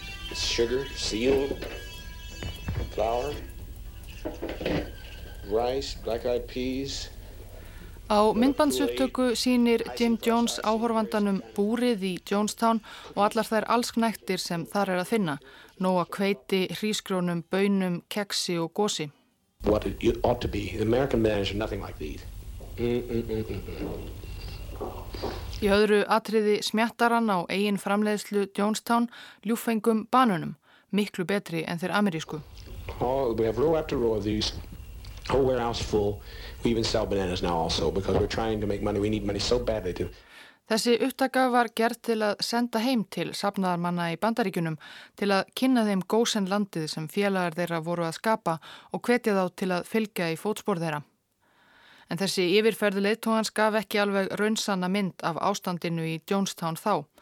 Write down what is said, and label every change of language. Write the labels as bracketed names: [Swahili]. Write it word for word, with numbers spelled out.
[English] It's sugar, seal, flour, rice, black-eyed peas. [Icelandic] Á myndbandsupptöku sýnir Jim Jones áhorfandanum búrið í Jonestown og allar þær allsknæktir sem þar er að finna. Nóa hveiti, hrísgrjónum, baunum, keksi og gosi. [English] What it ought to be. The American men are nothing like these. Mm-mm-mm-mm-mm. [Icelandic] Í öðru atriði smjattaran á eigin framleiðslu Jonestown ljúfengum banönum, miklu betri en þeir amerísku. [English] Oh, we have row after row of these, whole warehouse full. We even sell bananas now also because we're trying to make money. We need money so badly to... [Icelandic] Þessi upptaka var gerð til að senda heim til safnaðarmanna í Bandaríkjunum til að kynna þeim gósen landið sem félagar þeirra voru að skapa og hvetja þá til að fylgja í fótspor þeirra. En þessi yfirferðu leiðtogans gaf ekki alveg raunsanna mynd af ástandinu í Jonestown þá.